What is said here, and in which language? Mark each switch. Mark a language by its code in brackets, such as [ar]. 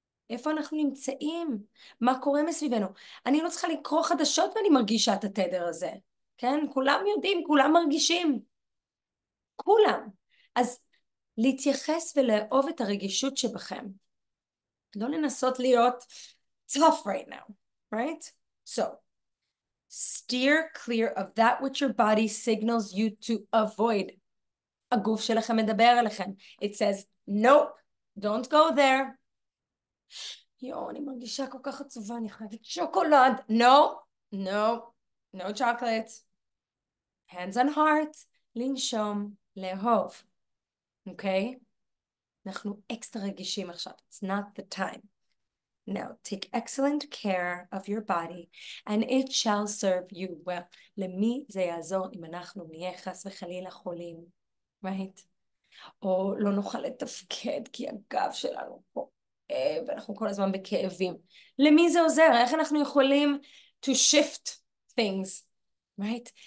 [he] איפה אנחנו נמצאים? מה קורה מסביבנו? אני לא צריכה לקרוא חדשות ואני מרגישה את התדר הזה. כן? כולם יודעים, כולם מרגישים. כולם. אז להתייחס ולאהוב את הרגישות שבכם. לא לנסות להיות [en] tough right now, right? So, steer clear of that which your body signals you to avoid. [he] הגוף שלכם מדבר אליכם. [en] It says, nope, don't go there. [he] יואו, אני מרגישה כל כך עצובה, אני חייבת שוקולד. [en] No, no, no chocolate. Hands on heart, [he] לנשום, לאהוב. [en] Okay? [he] אנחנו אקסטרה רגישים עכשיו. [en] It's not the time. Now, take excellent care of your body, and it shall serve you well. [he] למי זה יעזור אם אנחנו נהיה חס וחלילה חולים, right? או לא נוכל לתפקד כי הגב שלנו פה, ואנחנו כל הזמן בכאבים. למי זה עוזר? איך אנחנו יכולים [en] to shift things, right?